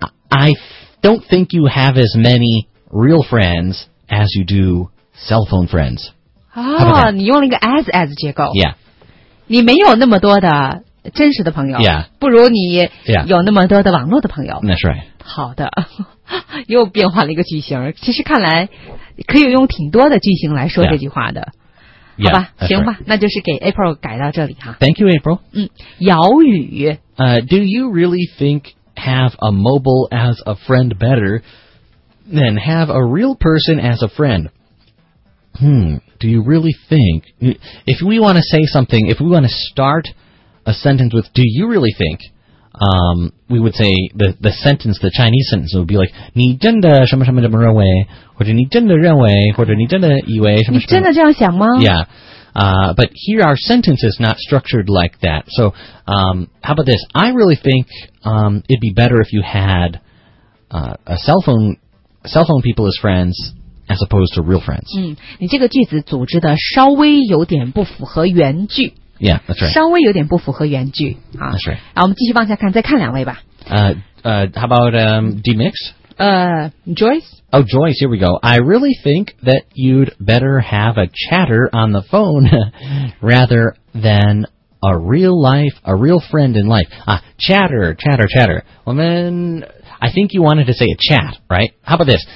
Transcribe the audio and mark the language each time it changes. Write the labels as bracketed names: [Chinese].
[English] I don't think you have as many real friends as you do. Cell phone friends. [Chinese] 哦，你用了一个 as 结构。 [English] Yeah. [Chinese] 你没有那么多的真实的朋友。 [English] Yeah. [Chinese] 不如你有那么多的网络的朋友。 [English] That's right. [Chinese] 好的。又变化了一个句型。其实看来可以用挺多的句型来说这句话的。 [English] Yeah. [Chinese] 好吧 [English] yeah, [Chinese] 行吧、 [English] right. [Chinese] 那就是给 April 改到这里哈。 [English] Thank you, April. [Chinese] 嗯，姚宇。 [English] Do you really think have a mobile as a friend better than have a real person as a friend? Do you really think, if we want to say something, if we want to start a sentence with, do you really think, we would say the sentence, the Chinese sentence would be like, [Chinese] 你真的什么什么这么认为,或者你真的认为,或者你真的以为什么什么。你真的这样想吗? [English] Yeah. But here our sentence is not structured like that. So, how about this? I really think, it'd be better if you had, cell phone people as friends,As opposed to real friends. [Chinese] 嗯，你这个句子组织的稍微有点不符合原句。 [English] Yeah, that's right. [Chinese] 稍微有点不符合原句啊。 [English] That's right. [Chinese] 然后我们继续往下看，再看两位吧。 [English] How about D-Mix? Joyce? Oh, Joyce, here we go. I really think that you'd better have a chatter on the phone rather than a real friend in life. 啊 chatter. [Chinese] 我们 [English] I think you wanted to say a chat, right? How about this?